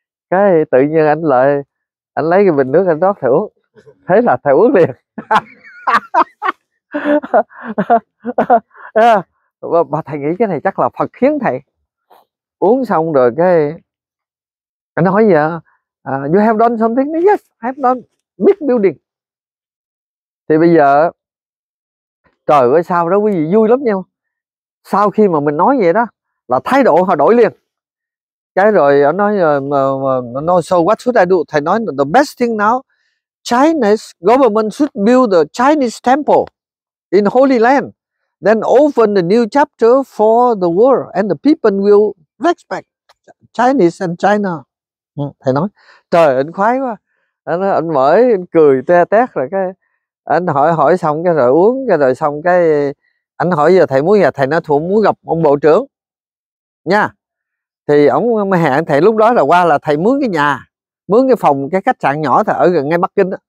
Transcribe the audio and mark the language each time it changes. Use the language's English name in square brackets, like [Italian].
[Vietnamese] Cái tự nhiên anh lại, anh lấy cái bình nước anh rót thầy uống. Thế là thầy uống liền. Mà thầy nghĩ cái này chắc là Phật khiến thầy. Uống xong rồi cái anh nói gì ạ? [English] You have done something? Yes, I have done big building. [Vietnamese] Thì bây giờ trời ơi sao đó quý vị, vui lắm nhau. Sau khi mà mình nói vậy đó là thái độ họ đổi liền. Cái rồi ông nói [English] no, so what should I do? [Vietnamese] Thầy nói [English] the best thing now, Chinese government should build the Chinese temple in Holy Land, then open the new chapter for the world and the people will respect Chinese and China. [Vietnamese] Thầy nói trời anh khoái quá, anh mở anh cười te tét. Rồi cái anh hỏi xong cái rồi uống cái rồi xong cái anh hỏi giờ thầy muốn gặp, thầy nói thủ muốn gặp ông bộ trưởng. nha. Thì ổng mới hẹn thầy, lúc đó là qua là thầy mướn cái nhà, mướn cái phòng, cái khách sạn nhỏ thầy ở gần ngay Bắc Kinh đó.